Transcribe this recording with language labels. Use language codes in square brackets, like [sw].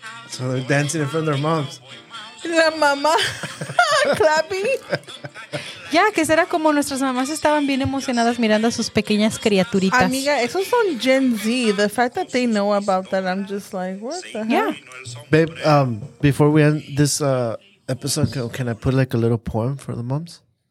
[en] So they're dancing in front of their moms. [es] La mamá clapping. Ya, que será como nuestras mamás estaban bien emocionadas mirando a sus pequeñas criaturitas. Amiga, esos son Gen Z. [en] The fact that they know about that, I'm just like, what the hell? Yeah. Babe, before we end this episode, can I put like a little poem for the moms?